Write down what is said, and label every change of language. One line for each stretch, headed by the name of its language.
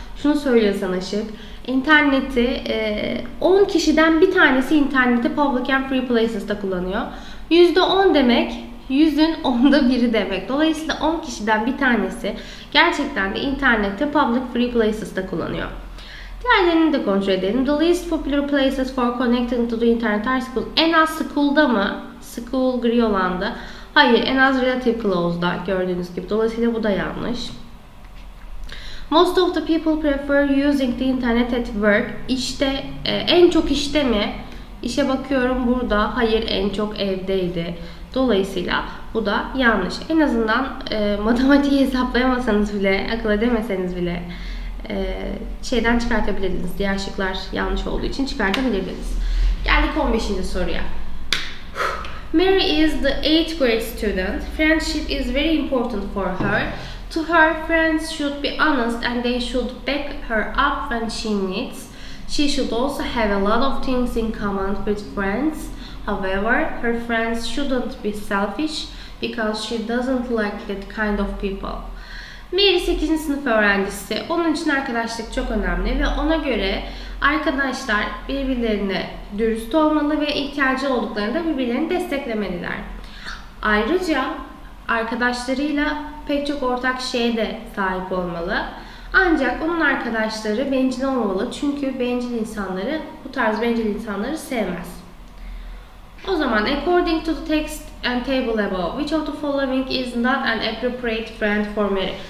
Turkish: Şunu söylüyor sana Şık. İnterneti 10 kişiden bir tanesi interneti
English: public and free places'ta
Turkish: kullanıyor. %10 demek 100'ün 10'da biri demek. Dolayısıyla 10 kişiden bir tanesi gerçekten de interneti
English: public free places'ta
Turkish: kullanıyor. Diğerlerini de kontrol edelim.
English: The least popular places for connecting to the internet are school.
Turkish: En az school'da mı? School gri olandı. Hayır, en az
English: relative close'da
Turkish: gördüğünüz gibi. Dolayısıyla bu da yanlış.
English: Most of the people prefer using the internet at work.
Turkish: İşte, en çok işte mi? İşe bakıyorum burada. Hayır, en çok evdeydi. Dolayısıyla bu da yanlış. En azından matematiği hesaplayamasanız bile, akıl edemeseniz bile şeyden çıkartabilirdiniz. Diğer şıklar yanlış olduğu için çıkartabilirdiniz. Geldik 15. soruya.
English: Mary is the 8th grade student. Friendship is very important for her. To her, friends should be honest and they should back her up when she needs. She should also have a lot of things in common with friends. However, her friends shouldn't be selfish because she doesn't like that kind of people.
Turkish: Mary 8. sınıf öğrencisi. Onun için arkadaşlık çok önemli ve ona göre arkadaşlar birbirlerine dürüst olmalı ve ihtiyacı olduklarında birbirlerini desteklemeliler. Ayrıca arkadaşlarıyla pek çok ortak şeye de sahip olmalı. Ancak onun arkadaşları bencil olmalı. Çünkü bencil insanları, bu tarz bencil insanları sevmez. O zaman
English: according to the text and table above, which of the following is not an appropriate friend for Mary?